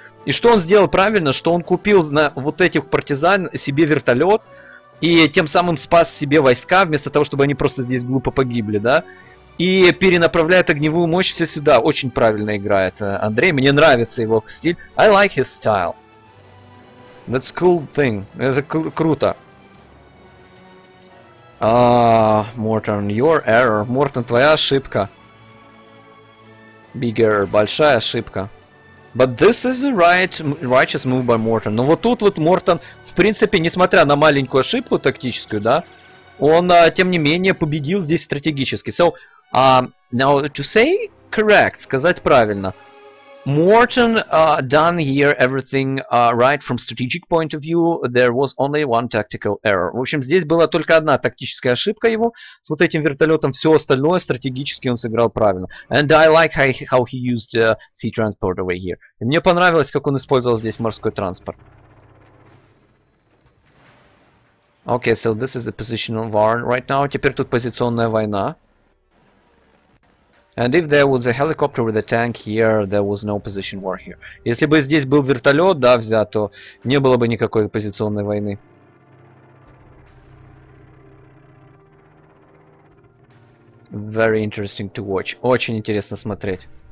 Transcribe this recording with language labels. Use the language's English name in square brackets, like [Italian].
[Russian] И что он сделал правильно, что он купил на вот этих партизан себе вертолет и тем самым спас себе войска, вместо того, чтобы они просто здесь глупо погибли, да? И перенаправляет огневую мощь все сюда. Очень правильно играет Андрей. Мне нравится его стиль. [English] I like his style. That's a cool thing. [Russian] Это круто. Мортон, [English] your error. [Russian] Мортон, твоя ошибка. [English] Bigger, [Russian] большая ошибка. [English] But this is a righteous move by Мортон. [Russian] Но вот тут вот Мортон, в принципе, несмотря на маленькую ошибку тактическую, да, он, тем не менее, победил здесь стратегически. [English] So, now, to say correct, [Russian] сказать правильно. [English] Мортон done here everything right from strategic point of view. There was only one tactical error. [Russian] В общем, здесь была только одна тактическая ошибка его. С вот этим вертолетом все остальное стратегически он сыграл правильно. [English] And I like how he used sea transport over here. [Russian] И мне понравилось, как он использовал здесь морской транспорт. [English] Okay, so this is a positional war right now. [Russian] Теперь тут позиционная война. [English] And if there was a helicopter with a tank here, there was no position war here. [Russian] Если бы здесь был вертолет, да, взят, то не было бы никакой позиционной войны. [English] Very interesting to watch. [Russian] Очень интересно смотреть.